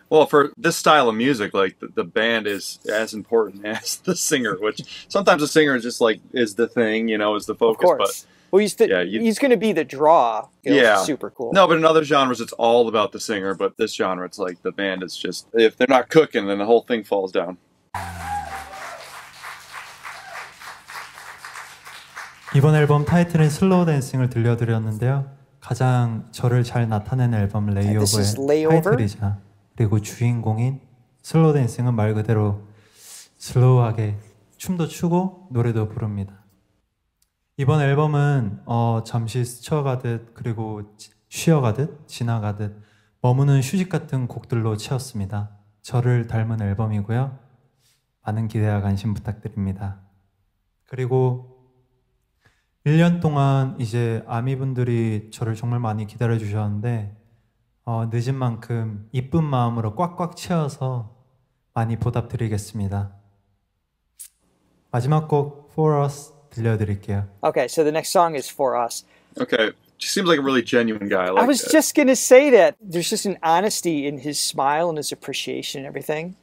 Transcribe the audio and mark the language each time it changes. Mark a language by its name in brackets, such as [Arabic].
[English] Well, for this style of music, like the band is as important as the singer, which sometimes the singer is just like is the thing, you know, is the focus. Of course. But well, he's going to be the draw. Super cool. No, but in other genres, it's all about the singer. But this genre, it's like the band is just if they're not cooking, then the whole thing falls down. [Korean] 이번 앨범 타이틀은 슬로우 댄싱을 들려드렸는데요. 가장 저를 잘 나타낸 앨범 레이오버의 타이틀이자 그리고 주인공인 슬로우 댄싱은 말 그대로 슬로우하게 춤도 추고 노래도 부릅니다. 이번 앨범은 잠시 스쳐가듯 그리고 쉬어가듯 지나가듯 머무는 휴식 같은 곡들로 채웠습니다. 저를 닮은 앨범이고요. 많은 기대와 관심 부탁드립니다. 그리고 1년 동안 이제 아미분들이 저를 정말 많이 기다려주셨는데 늦은 만큼 이쁜 마음으로 꽉꽉 채워서 많이 보답드리겠습니다. 마지막 곡 For Us 들려드릴게요. [English] Okay, so the next song is For Us. Okay, she seems like a really genuine guy. I was just gonna say that. There's just an honesty in his smile and his appreciation and everything.